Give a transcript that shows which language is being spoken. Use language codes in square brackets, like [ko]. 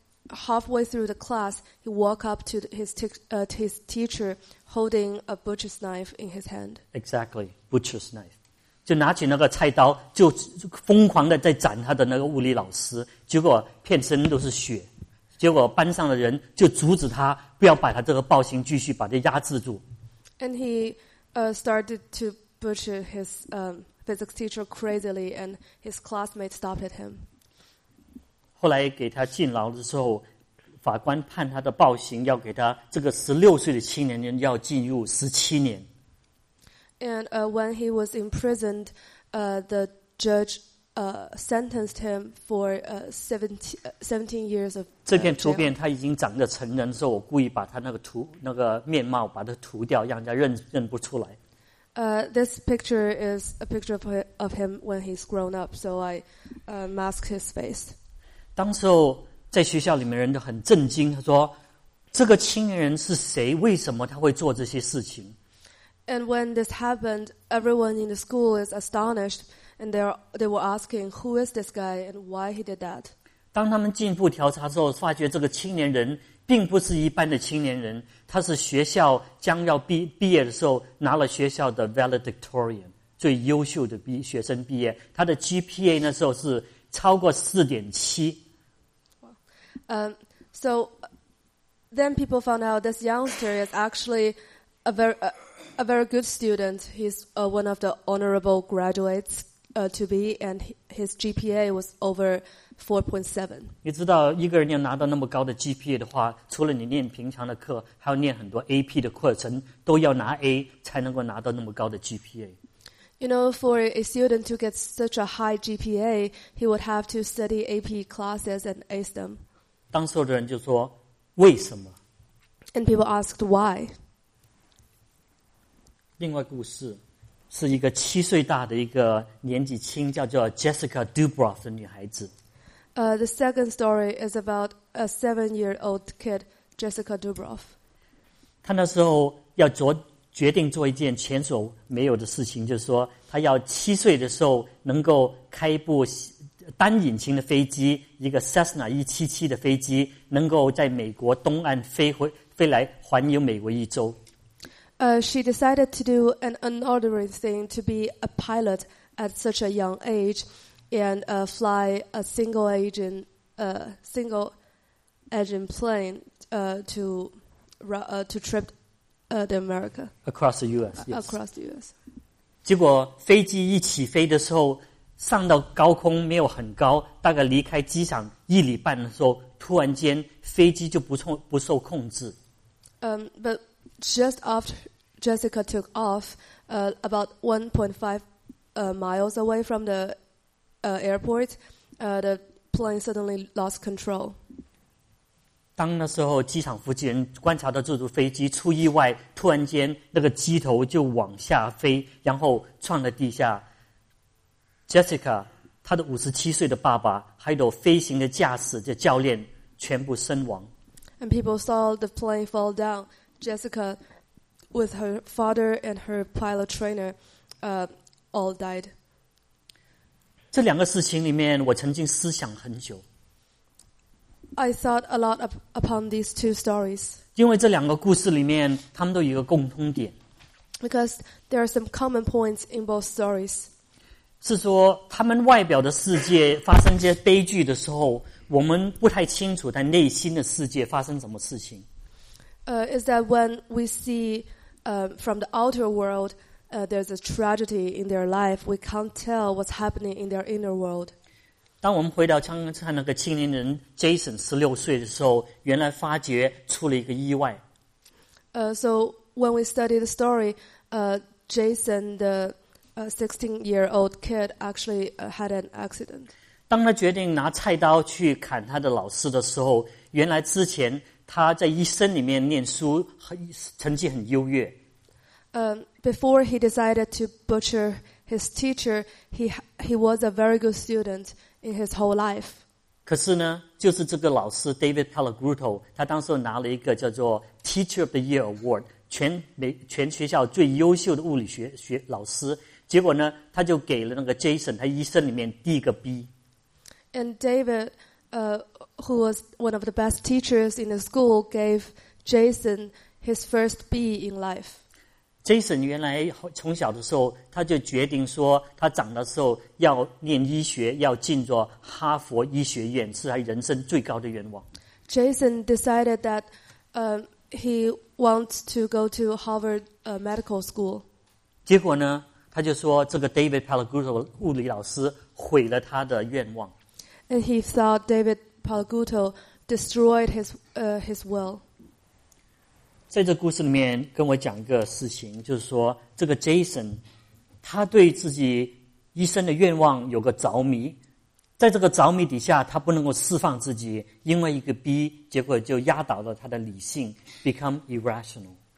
[en] Halfway through the class, he walked up to his teacher, holding a butcher's knife in his hand. Exactly, butcher's knife. [zh] 就拿起那个菜刀，就疯狂的在斩他的那个物理老师，结果遍身都是血。结果班上的人就阻止他，不要把他这个暴行继续把他压制住。 [en] And he, started to butcher his physics teacher crazily, and his classmates stopped him. [zh] 后来给他进牢的时候，法官判他的暴行要给他这个16岁的青年人要进入17年。 [en] And when he was imprisoned, the judge sentenced him for 17 years of jail. [zh] 这片图片他已经长得成人的时候，我故意把他那个图那个面貌把它涂掉，让人家认不出来。 [en] This picture is a picture of him when he's grown up, so I mask his face. [zh] 当时候在学校里面人都很震惊，他说这个青年人是谁，为什么他会做这些事情。 [en] And when this happened, everyone in the school is astonished, and they were asking, who is this guy and why he did that? [zh] 当他们进一步调查之后，发觉这个青年人并不是一般的青年人，他是学校将要毕业的时候拿了学校的 valedictorian, 最优秀的学生毕业，他的 GPA 那时候是超过 4.7。 [en] So then people found out this youngster is actually a very good student. He's one of the honorable graduates to be, and his GPA was over 4.7. [zh] 你知道一个人要拿到那么高的 GPA 的话，除了你念平常的课，还要念很多 AP 的课程，都要拿 A 才能够拿到那么高的 GPA。 [en] You know, for a student to get such a high GPA, he would have to study AP classes and ace them. [zh] 当时的人就说，为什么？ [en] And people asked why. [zh] 另外故事是一个七岁大的一个年纪轻叫做 Jessica Dubroff 的女孩子。 [en] The second story is about a 7-year-old kid, Jessica Dubroff. [zh] 她那时候要决定做一件前所没有的事情，就是说她要七岁的时候能够开一部单引擎的飞机，一个 Cessna 177的飞机，能够在美国东岸飞来环游美国一周。 [en] She decided to do an unordinary thing to be a pilot at such a young age and fly a single engine plane to trip the America. Across the U.S., yes. Across the U.S. [zh] 结果飞机一起飞的时候，上到高空没有很高，大概离开机场一里半的时候，突然间飞机就不受控制。 [en] But just after... Jessica took off about 1.5 miles away from the airport. The plane suddenly lost control. [zh] 当那时候，机场附近人观察到这架飞机出意外，突然间那个机头就往下飞，然后撞了地下。 Jessica, 她的57岁的爸爸，还有飞行的驾驶的教练，全部身亡。 [en] And people saw the plane fall down. Jessica. With her father and her pilot trainer, all died. [zh] 这两个事情里面，我曾经思想很久。 [en] I thought a lot upon these two stories. [zh] 因为这两个故事里面，他们都有一个共通点。 [en] Because there are some common points in both stories. [zh] 是说，他们外表的世界发生这些悲剧的时候，我们不太清楚在内心的世界发生什么事情。 [en] Is that when we see from the outer world there's a tragedy in their life, we can't tell what's happening in their inner world. [zh] 当我们回到刚刚看那个青年人 Jason 16岁的时候，原来发觉出了一个意外。 [en] So when we study the story, Jason, the 16-year-old kid, actually had an accident. [zh] 当他决定拿菜刀去砍他的老师的时候，原来之前他在一生里面念书成绩很优越。 [en] Before he decided to butcher his teacher, he was a very good student in his whole life. [zh] 可是呢，就是这个老师 David Pellegrino， 他当时拿了一个叫做 Teacher of the Year Award， 全学校最优秀的物理学老师。结果呢，他就给了那个 Jason 他一生里面第一个 B。 [en] And David, who was one of the best teachers in the school, gave Jason his first B in life. [zh] Jason 原来从小的时候，他就决定说，他长的时候要念医学，要进入哈佛医学院，是他人生最高的愿望。 [en] Jason decided that, he wants to go to Harvard, medical school. [zh] 结果呢，他就说这个 David Pellegrino 物理老师毁了他的愿望。 [en] And he thought David Pellegrino destroyed his will. [zh] 在这故事里面跟我讲一个事情，就是说这个 Jason 他对自己一生的愿望有个着迷，在这个着迷底下他不能够释放自己，因为一个 B 结果就压倒了他的理性， [en] become irrational.